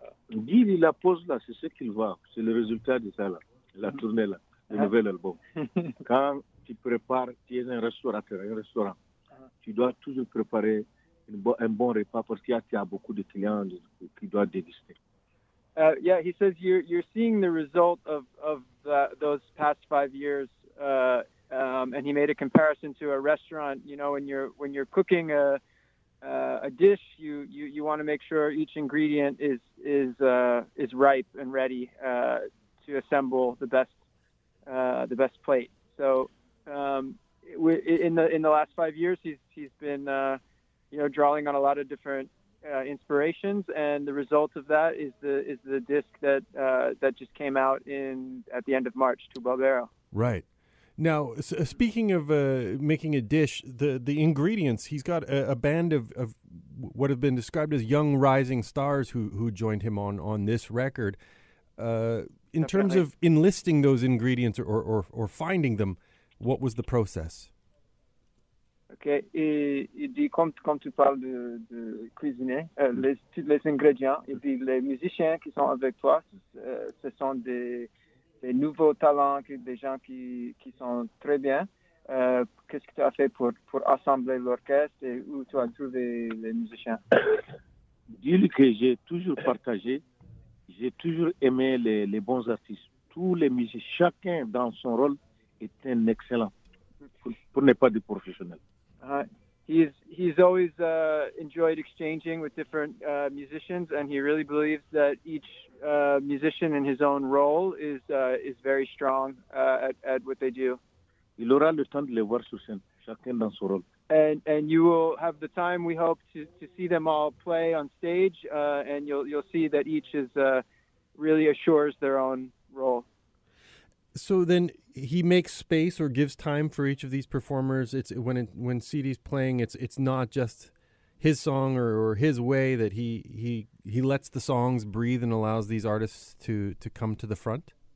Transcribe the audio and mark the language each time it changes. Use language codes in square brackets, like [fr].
[fr] Dis-lui la pause là, c'est ce qu'il voit. C'est le résultat de ça là, la tournée là, le nouvel album. Quand tu prépares, tu es un restaurateur, un restaurant, tu dois toujours préparer un bon repas parce qu'il y a, tu as beaucoup de clients qui doivent déguster. [en] Yeah, he says you're seeing the result of those past 5 years. And he made a comparison to a restaurant, you know, when you're cooking a dish, you want to make sure each ingredient is ripe and ready to assemble the best plate. So in the last 5 years, he's been drawing on a lot of different inspirations, and the result of that is the disc that just came out at the end of March, Tu Barbero. Right. Now, speaking of making a dish, the ingredients, he's got a band of what have been described as young rising stars who joined him on this record. In terms of enlisting those ingredients or finding them, what was the process? [fr] Okay, il dit comme tu parles de cuisiner, tous les ingrédients, et puis les musiciens qui sont avec toi, ce sont des nouveaux talents, des gens qui sont très bien. Qu'est-ce que tu as fait pour assembler l'orchestre et où tu as trouvé les musiciens? Dis-lui que j'ai toujours partagé, j'ai toujours aimé les bons artistes. Tous les musiciens, chacun dans son rôle, est un excellent, pour ne pas dire professionnel. [en] He's always enjoyed exchanging with different musicians, and he really believes that each musician in his own role is very strong at what they do. [fr] Il aura le temps de les voir sur scène, chacun dans son rôle. [en] And you will have the time, we hope, to see them all play on stage, and you'll see that each is really assures their own role. So then he makes space or gives time for each of these performers. It's when CD's playing, it's not just his song or his way, that he lets the songs breathe and allows these artists to come to the front.